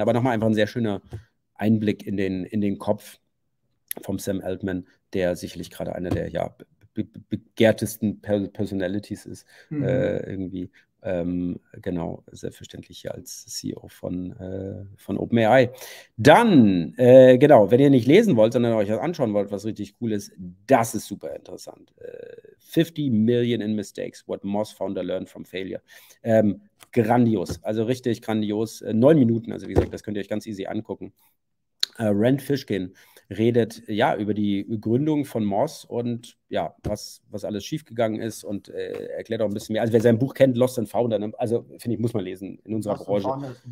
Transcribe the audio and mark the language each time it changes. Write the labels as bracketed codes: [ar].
[de] Aber nochmal einfach ein sehr schöner Einblick in den Kopf vom Sam Altman, der sicherlich gerade einer der ja, begehrtesten Personalities ist. Mhm. Irgendwie, genau, selbstverständlich hier als CEO von OpenAI. Dann, genau, wenn ihr nicht lesen wollt, sondern euch das anschauen wollt, was richtig cool ist, das ist super interessant. [en] 50 Million in Mistakes, what Moz Founder learned from failure. [de] Grandios, also richtig grandios. 9 Minuten, also wie gesagt, das könnt ihr euch ganz easy angucken. Rand Fishkin redet ja über die Gründung von Moz und ja, was alles schiefgegangen ist und erklärt auch ein bisschen mehr. Also wer sein Buch kennt, Lost and Founder, also finde ich, muss man lesen in unserer Lost Branche.